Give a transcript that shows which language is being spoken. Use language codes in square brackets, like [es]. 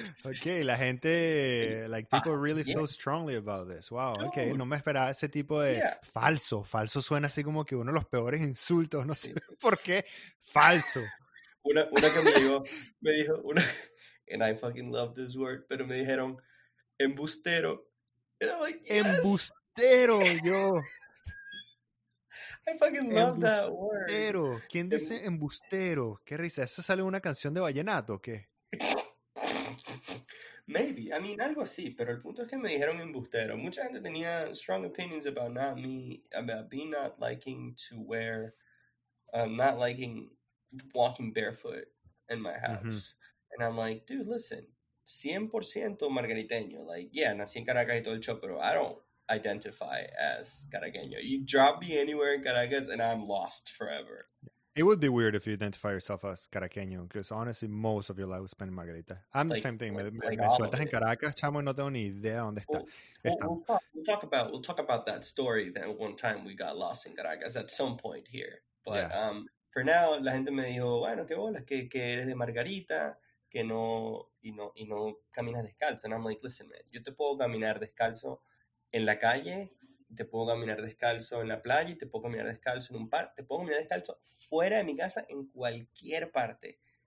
[en] Okay, [es] la gente, [en] like people really feel strongly about this. Wow. Dude. [es] Okay, no me esperaba ese tipo de falso. Falso suena así como que uno de los peores insultos. No sé por qué. Falso. Una que me dijo una. [en] And I fucking love this word, [es] pero me dijeron embustero. [en] And I'm like, yes. [es] Embustero, yo. [en] I fucking love embustero. That word. [es] Embustero. ¿Quién dice embustero? Qué risa. ¿Eso sale una canción de vallenato o qué? [en] Maybe. I mean, [es] algo así, pero el punto es que me dijeron embustero. Mucha gente tenía [en] strong opinions about not me, about me not liking to wear, not liking walking barefoot in my house. Mm-hmm. And I'm like, dude, listen, 100% margariteño. Like, yeah, [es] nací en Caracas y todo el show, pero [en] I don't identify as caraqueño. You drop me anywhere in Caracas and I'm lost forever. It would be weird if you identify yourself as caraqueño, because honestly, most of your life was spent in Margarita. I'm like, the same thing. [es] Estás en Caracas, chamo, no tengo ni idea dónde está. [en] We'll talk about that story that one time we got lost in Caracas at some point here. But yeah. [es] For now, la gente me dijo, bueno, qué bolas, que eres de Margarita. Que no, y no caminas descalzo. [en] And I'm like, listen, man, [es] yo te puedo caminar descalzo en la calle, te puedo caminar descalzo en la playa, y te puedo caminar descalzo en un parque, te puedo caminar descalzo fuera de mi casa, en cualquier parte.